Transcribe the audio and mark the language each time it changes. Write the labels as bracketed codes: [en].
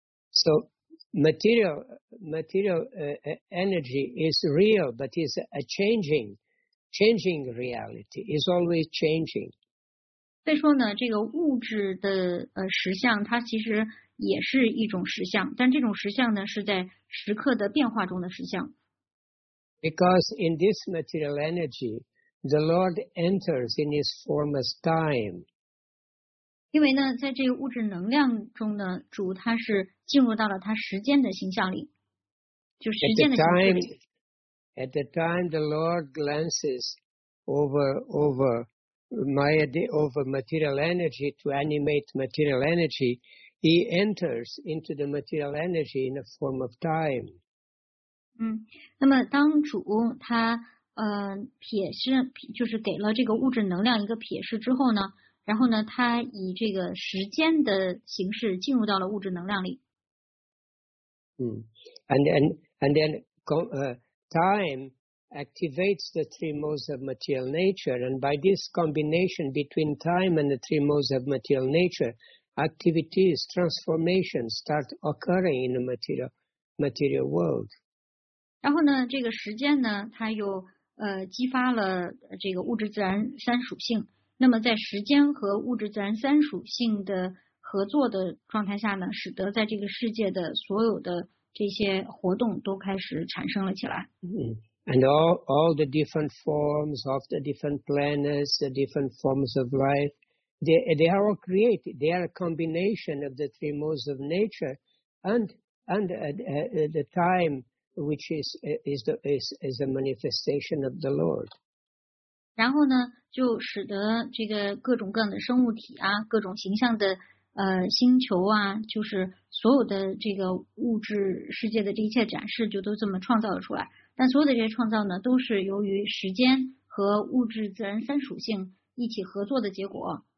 [en] So material energy is real, but is a changing reality. Is always changing. [zh] 所以说呢，这个物质的实相，它其实也是一种实相，但这种实相呢，是在时刻的变化中的实相。 [en] Because in this material energy, the Lord enters in His form as time. [zh] 因为呢，在这个物质能量中呢，主他是进入到了他时间的形象里，就时间的形象里。 [en] At the time, the Lord glances over. Maya over material energy to animate material energy, he enters into the material energy in a form of time. [zh] 嗯，那么当主他瞥视，就是给了这个物质能量一个瞥视之后呢，然后呢，他以这个时间的形式进入到了物质能量里。 [en] 嗯 ，and then time. Activates the three modes of material nature, and by this combination between time and the three modes of material nature, activities, transformations start occurring in the material world. [zh] 然后呢，这个时间呢，它又激发了这个物质自然三属性。那么在时间和物质自然三属性的合作的状态下呢，使得在这个世界的所有的这些活动都开始产生了起来。嗯。 [en] And all the different forms of the different planets, the different forms of life, they are all created. They are a combination of the three modes of nature and the time, which is a manifestation of the Lord. [zh] 然后呢，就使得这个各种各样的生物体啊，各种形象的星球啊，就是所有的这个物质世界的这一切展示，就都这么创造了出来。但所有的这些创造呢，都是由于时间和物质自然三属性一起合作的结果。